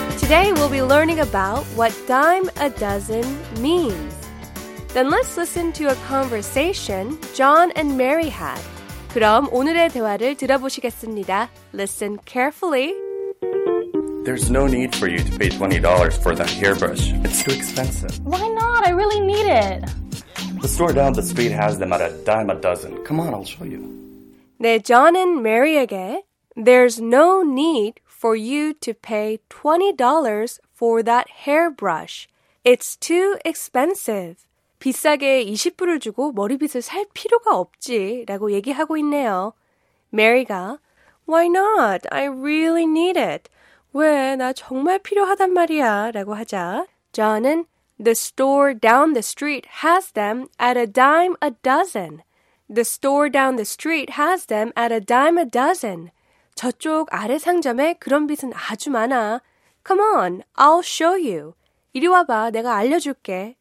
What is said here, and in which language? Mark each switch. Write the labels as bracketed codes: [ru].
[en] 오늘 we'll be learning about what dime a dozen means. Then let's listen to a conversation John and Mary had. [ko] 그럼 오늘의 대화를 들어보시겠습니다. [en] Listen carefully. There's no need for you to pay $20 for that hairbrush. It's too expensive. Why not? I really need it. The store down the street has them at a dime a dozen. Come on, I'll show you. 네, John and Mary에게 There's no need for you to pay $20 for that hairbrush. It's too expensive. [ko] 비싸게 20불을 주고 머리빗을 살 필요가 없지 라고 얘기하고 있네요. [en] Mary가 Why not? I really need it. 왜? [ko] 나 정말 필요하단 말이야 라고 하자. [en] John은 The store down the street has them at a dime a dozen. The store down the street has them at a dime a dozen. [ko] 저쪽 아래 상점에 그런 빚은 아주 많아. [en] Come on, I'll show you. [ko] 이리 와봐, 내가 알려줄게.